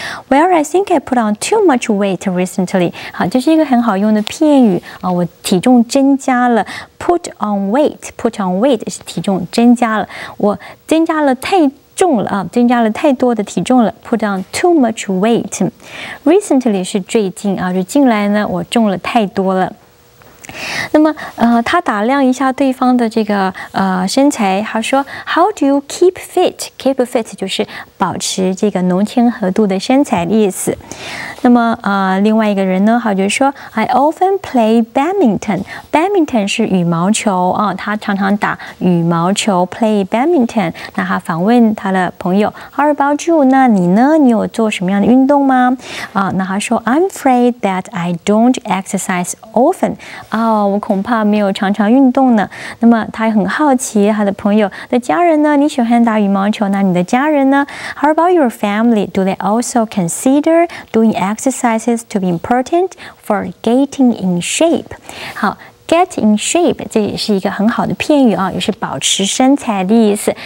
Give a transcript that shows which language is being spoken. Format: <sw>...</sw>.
<en>Well, I think I put on too much weight recently.</en> <zh>好，这是一个很好用的片语啊，我体重增加了。</zh> <en>Put on weight, put on weight</en> <zh>是体重增加了，我增加了太重了啊，增加了太多的体重了。</zh> <en>Put on too much weight.</en> <zh>Recently 是最近啊，就近来呢，我重了太多了。那么他打量一下对方的这个身材，他说</zh> <en>How do you keep fit?</en> <zh>Keep fit 就是保持这个浓轻合度的身材的意思。那么另外一个人呢，他就说</zh> <en>I often play badminton.</en> <zh>Badminton 是羽毛球啊，他常常打羽毛球</zh> <en>play badminton.</en> <zh>那他访问他的朋友</zh> <en>How about you?</en> <zh>那你呢，你有做什么样的运动吗？那他说</zh> <en>I'm afraid that I don't exercise often.</en> <zh>哦，我恐怕没有常常运动呢。那么他很好奇他的朋友的家人呢，你喜欢打羽毛球，那你的家人呢？</zh> <en>How about your family? Do they also consider doing exercises to be important for getting in shape?</en> <zh>好， get in shape 这也是一个很好的片语啊，也是保持身材的意思。</zh>